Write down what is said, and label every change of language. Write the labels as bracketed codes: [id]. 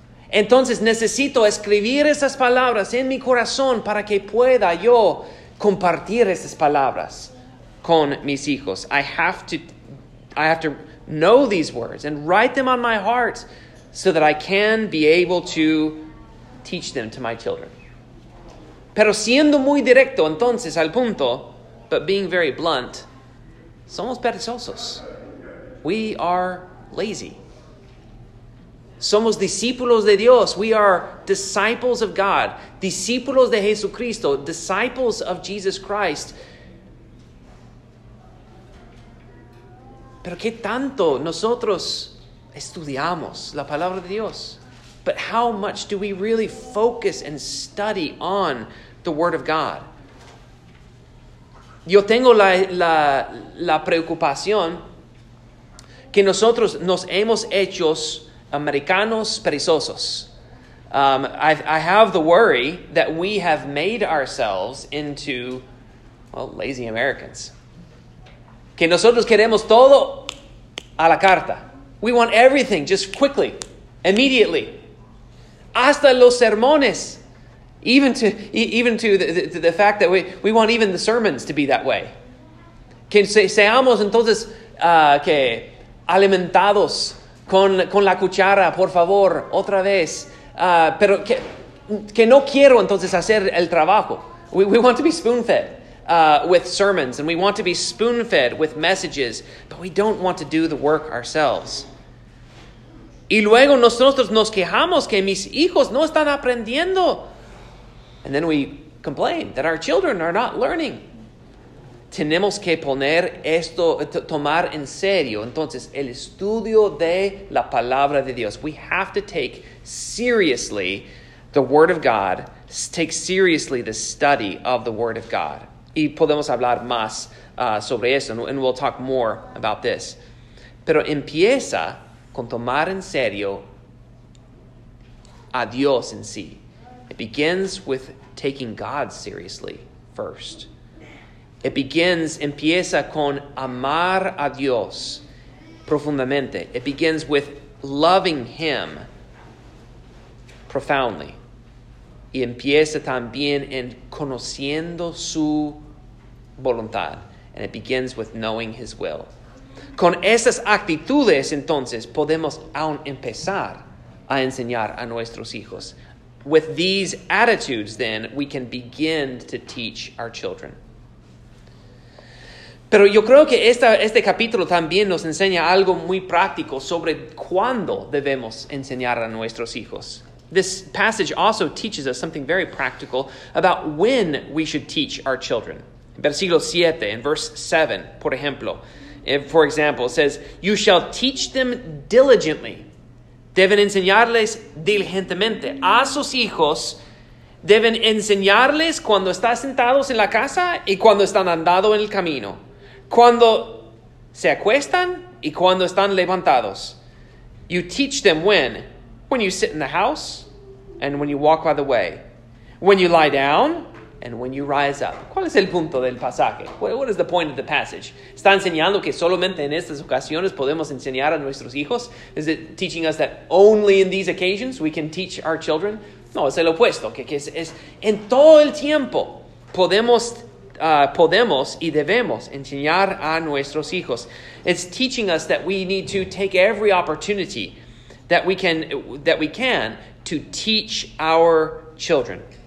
[es] Entonces necesito escribir esas palabras en mi corazón para que pueda yo compartir esas palabras con mis hijos. [en] I have to know these words and write them on my heart so that I can be able to teach them to my children. [es] Pero siendo muy directo, entonces, al punto, [en] but being very blunt, [es] somos perezosos. [en] We are lazy. [es] Somos discípulos de Dios. [en] We are disciples of God. [es] Discípulos de Jesucristo. [en] Disciples of Jesus Christ. [es] Pero qué tanto nosotros estudiamos la palabra de Dios. [en] But how much do we really focus and study on the Word of God? [es] Yo tengo la preocupación que nosotros nos hemos hecho americanos perezosos. [en] I have the worry that we have made ourselves into, well, lazy Americans. [es] Que nosotros queremos todo a la carta. [en] We want everything just quickly, immediately. [es] Hasta los sermones. [en] Even to the fact that we want even the sermons to be that way. [es] Que seamos entonces que alimentados con la cuchara, por favor, otra vez. Pero que no quiero entonces hacer el trabajo. [en] We want to be spoon-fed with sermons, and we want to be spoon-fed with messages, but we don't want to do the work ourselves. [es] Y luego nosotros nos quejamos que mis hijos no están aprendiendo. [en] And then we complain that our children are not learning. [es] Tenemos que poner esto, tomar en serio, entonces, el estudio de la palabra de Dios. [en] We have to take seriously the Word of God, take seriously the study of the Word of God. [es] Y podemos hablar más sobre eso, [en] and we'll talk more about this. [es] Pero empieza con tomar en serio a Dios en sí. [en] It begins with taking God seriously first. [es] Empieza con amar a Dios profundamente. [en] It begins with loving Him profoundly. [es] Y empieza también en conociendo su voluntad. [en] And it begins with knowing His will. [es] Con esas actitudes, entonces, podemos aún empezar a enseñar a nuestros hijos. [en] With these attitudes, then, we can begin to teach our children. [es] Pero yo creo que este capítulo también nos enseña algo muy práctico sobre cuándo debemos enseñar a nuestros hijos. [en] This passage also teaches us something very practical about when we should teach our children. [es] Versículo 7, [en] in verse 7, [es] por ejemplo. [en] For example, it says, "You shall teach them diligently." [es] Deben enseñarles diligentemente a sus hijos. Deben enseñarles cuando están sentados en la casa y cuando están andando en el camino. Cuando se acuestan y cuando están levantados. [en] You teach them when you sit in the house and when you walk by the way. When you lie down and when you rise up. [es] ¿Cuál es el punto del pasaje? [en] What is the point of the passage? [es] ¿Está enseñando que solamente en estas ocasiones podemos enseñar a nuestros hijos? [en] Is it teaching us that only in these occasions we can teach our children? [es] No, es el opuesto. Que es en todo el tiempo podemos y debemos enseñar a nuestros hijos. [en] It's teaching us that we need to take every opportunity that we can to teach our children.